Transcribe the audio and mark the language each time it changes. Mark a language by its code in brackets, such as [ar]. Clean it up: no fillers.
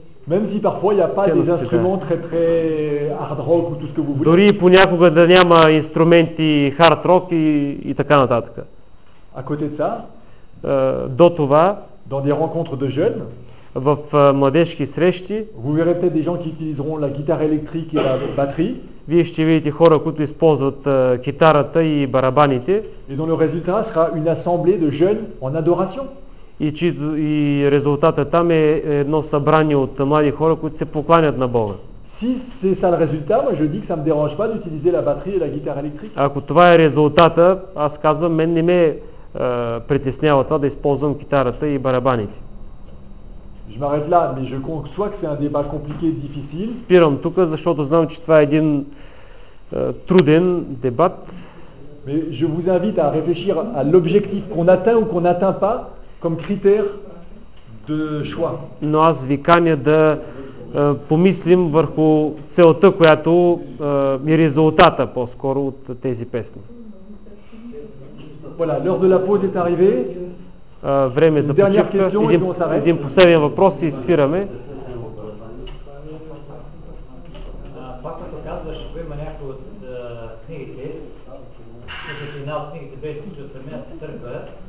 [fr] Même si parfois il y a pas des instruments très très hard rock ou tout ce que vous voulez. [bg] Дори понякога да няма инструменти хард рок и така нататък. [fr] À côté de ça, [bg] до това, [fr] dans des rencontres de jeunes, [bg] в младежки срещи. [fr] Vous verrez peut-être des gens qui utiliseront la guitare électrique et la batterie. [bg] Вие ще видите хора, които използват китарата и барабаните. [fr] Et dont le résultat sera une assemblée de jeunes en adoration. [bg] И резултатът там е едно събрание от млади хора, които се покланят на Бога. [fr] Si c'est ça le résultat, moi je dis que ça me dérange pas d'utiliser la batterie et la guitare électrique. [bg] Ако това е резултата, аз казвам, мен не ме притеснява това да използвам китарата и барабаните. [fr] Je m'arrête là, mais je conçois que c'est un débat compliqué, difficile. [bg] Спирам тук, защото знам, че това е един труден дебат. [fr] Mais je vous invite à réfléchir à l'objectif qu'on atteint ou qu'on n'atteint pas comme critère de choix. [bg] Но аз ви каня да помислим върху целта, която и резултата по-скоро от тези песни. [fr] Voilà, l'heure de la pause est arrivée. [bg] Време за почивка. Един последен въпрос и спираме. Това, като казваш, ако има някои от книгите, защото една от книгите беше от Съвременната църква.